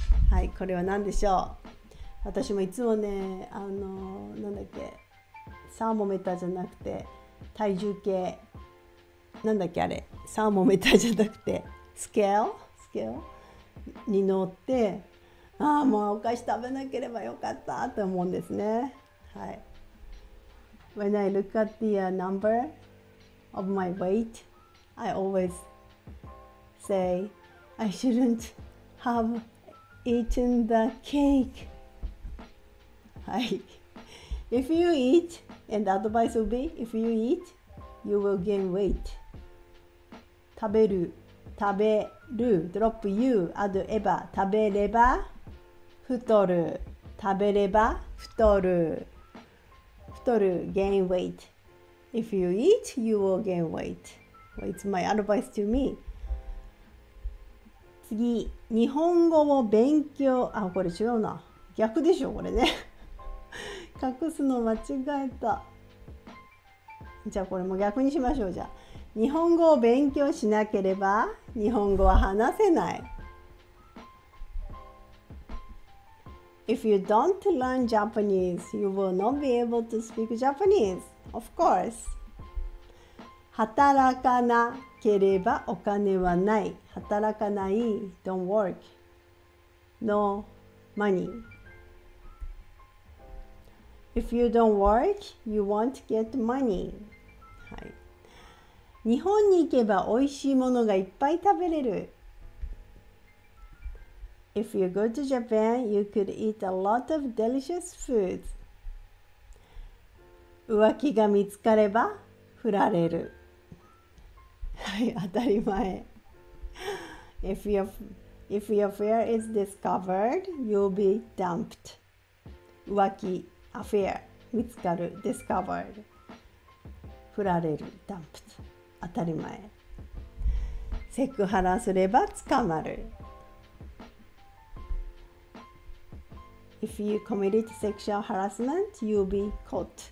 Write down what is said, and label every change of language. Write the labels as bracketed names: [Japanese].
[Japanese] はい、これは何でしょう？私もいつもね、なんだっけ、サーモメーターじゃなくて、体重計。なんだっけあれ、サーモメーターじゃなくて、スケールに乗って、ああもうお菓子食べなければよかったと思うんですね。はい。 [English] When I look at the number of my weight, I always say I shouldn't have eaten the cake. [Japanese] はい。 [English] If you eat, and the advice will be, if you eat, you will gain weight. [Japanese] 食べる、 [English] drop you, add eba, [Japanese] 食べれば太る、食べれば太る、 [English] gain weight. If you eat, you will gain weight. Well, it's my advice to me. [Japanese] 次、日本語を勉強、あ、これ違うな。逆でしょ、これね。隠すの間違えた。じゃあこれも逆にしましょう、じゃあ。日本語を勉強しなければ、日本語は話せない。 [English] If you don't learn Japanese, you will not be able to speak Japanese. Of course. [Japanese] 働かなければお金はない。働かない。 [English] Don't work. No money. If you don't work, you won't get money. [Japanese] はい。日本に行けばおいしいものがいっぱい食べれる。 [English] If you go to Japan, you could eat a lot of delicious foods. [Japanese] 浮気が見つかれば振られる。はい、当たり前。 [English] If your affair is discovered, you'll be dumped. [Japanese] 浮気、affair、見つかる、discovered。振られる、dumped。当たり前。セクハラすれば捕まる。 [English] If you committed sexual harassment, you'll be caught.